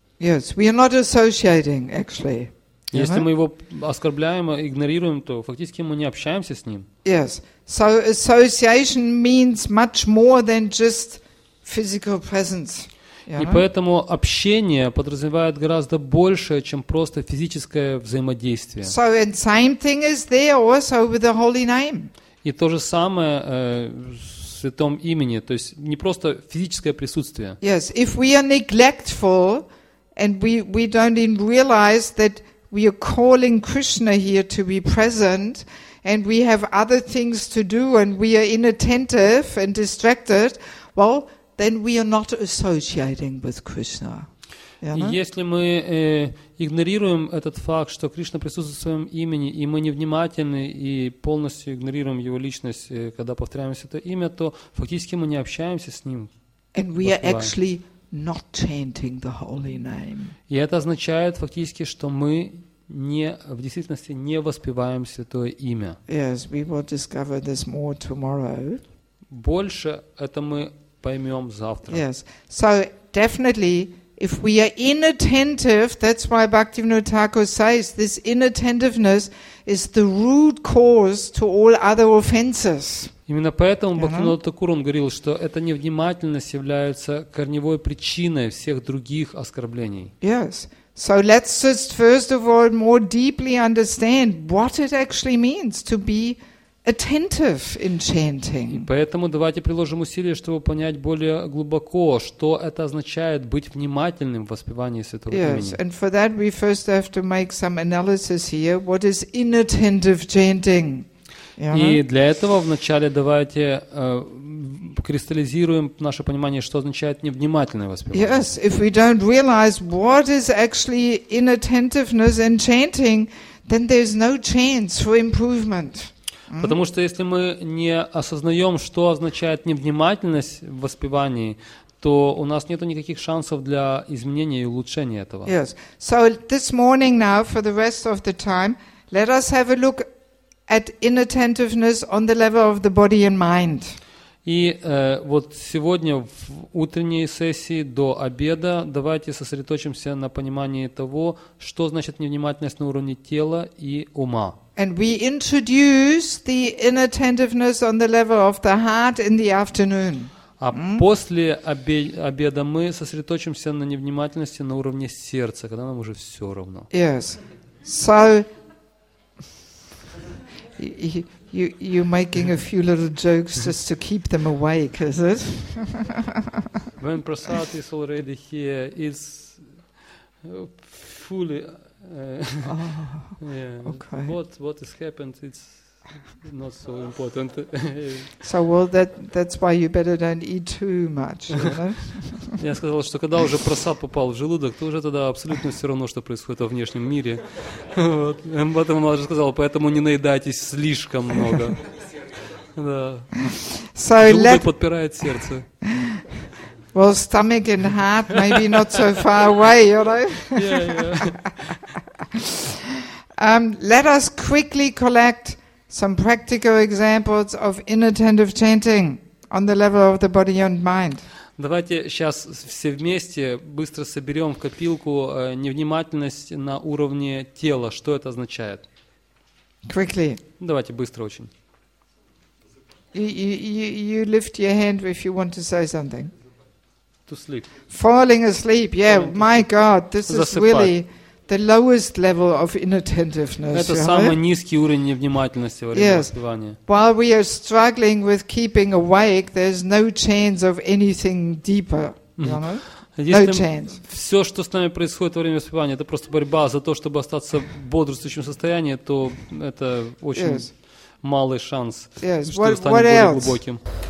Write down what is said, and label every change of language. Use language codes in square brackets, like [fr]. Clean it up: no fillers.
[en] Yes, we are not associating, actually. [ru] Если мы его оскорбляем, игнорируем, то фактически мы не общаемся с ним. [en] Yes. So association means much more than just physical presence. [ru] И поэтому общение подразумевает гораздо большее, чем просто физическое взаимодействие. [en] So and same thing is there also with the holy name. [ru] И то же самое в святом имени, то есть не просто физическое присутствие. [en] Yes. If we are neglectful and we don't even realize that we are calling Krishna here to be present, and we have other things to do, and we are inattentive and distracted, well, then we are not associating with Krishna. [ru] Если мы игнорируем этот факт, что Кришна присутствует в своем имени, и мы невнимательны и полностью игнорируем его личность, когда повторяем это имя, то фактически мы не общаемся с ним. [en] And we are actually not chanting the holy name. [ru] И это означает фактически, что мы не, в действительности не воспеваем святое имя. [en] Yes, we will discover this more tomorrow. [ru] Больше это мы поймем завтра. [en] Yes. So definitely, if we are inattentive, that's why Bhaktivinoda Thakur says this inattentiveness is the root cause to all other offenses. [ru] Именно поэтому Бхактивинода Такур он говорил, что эта невнимательность является корневой причиной всех других оскорблений. [en] Yes. So let's just first of all more deeply understand what it actually means to be attentive in chanting. [ru] И поэтому давайте приложим усилия, чтобы понять более глубоко, что это означает быть внимательным в воспевании святого имени. [en] Yes, and for that we first have to make some analysis here. What is inattentive chanting? [ru] И для этого вначале давайте кристаллизируем наше понимание, что означает невнимательное воспевание. [en] Yes, if we don't realize what is actually inattentiveness and chanting, then there's no chance for improvement. [ru] Потому что если мы не осознаем, что означает невнимательность в воспевании, то у нас нет никаких шансов для изменения и улучшения этого. [en] Yes. So this morning now, for the rest of the time, let us have a look at inattentiveness on the level of the body and mind. [ru] И вот сегодня в утренней сессии до обеда давайте сосредоточимся на понимании того, что значит невнимательность на уровне тела и ума. [en] And we introduce the inattentiveness on the level of the heart in the afternoon. [ru] А после обеда мы сосредоточимся на невнимательности на уровне сердца, когда нам уже все равно. [en] Yes. So you're making a few little jokes just to keep them awake, is it? When Prasad is already here, it's fully. Okay. What has happened? It's not so important. So well, that's why you better don't eat too much. [ru] Я сказал, что когда уже просад попал в желудок, то уже тогда абсолютно все равно, что происходит во внешнем мире. Поэтому он уже сказал, поэтому не наедайтесь слишком много. Да. Желудок подпирает сердце. [en] Well, stomach and heart maybe not so far away, you know. Let us quickly collect some practical examples of inattentive chanting on the level of the body and mind. [ru] Давайте сейчас все вместе быстро соберем в копилку невнимательность на уровне тела. Что это означает? [en] Quickly. [ru] Давайте быстро очень. [en] You lift your hand if you want to say something. To sleep. Falling asleep. Yeah, falling. My God, this is really the lowest level of inattentiveness. [ru] Это самый низкий уровень невнимательности во время воспевания. [en] While we are struggling with keeping awake, there's no chance of anything deeper. No chance. [ru] Все, что с нами происходит во время воспевания, это просто борьба за то, чтобы остаться в бодрствующем состоянии, то это очень малый шанс, что станет более глубоким.